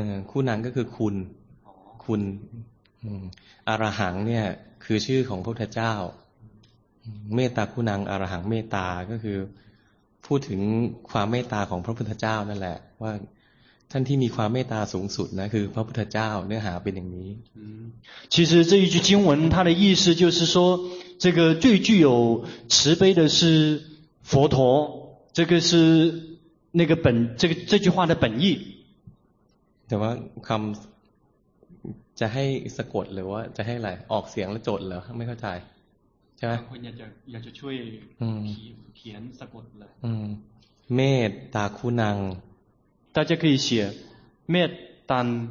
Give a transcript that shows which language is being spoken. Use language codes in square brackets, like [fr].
[th] คุณังก็คือคุณอรหังเนี่ยคือชื่อของพระพุทธเจ้าเมตตาคุณังอรหังเมตตาก็คือพูดถึงความเมตตาของพระพุทธเจ้านั่นแหละว่าท่านที่มีความเมตตาสูงสุดนะคือพระพุทธเจ้าเนื้อหาเป็นอย่างนี้ [zh] 其实这一句经文它的意思就是说这个最具有慈悲的是佛陀这个是那个本这个这句话的本意 [th] แต่ว่าคำจะให้สะกดหรือว่าจะให้อะไรออกเสียงแล้วจดเหรอไม่เข้าใจใช่ไหม คนอยากจะช่วยเขียนสะกดเลย เมตตาคุณัง [zh] 大家可以写เมตตัน